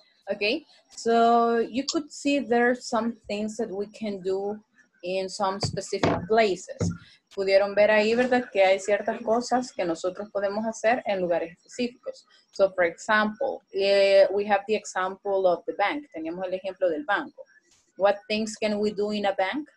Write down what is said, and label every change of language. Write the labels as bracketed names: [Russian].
[English] Okay, so you could see there are some things that we can do in some specific places. [Spanish] Pudieron ver ahí, ¿verdad? Que hay ciertas cosas que nosotros podemos hacer en lugares específicos. [English] So, for example, we have the example of the bank. [Spanish] Teníamos el ejemplo del banco. [English] What things can we do in a bank?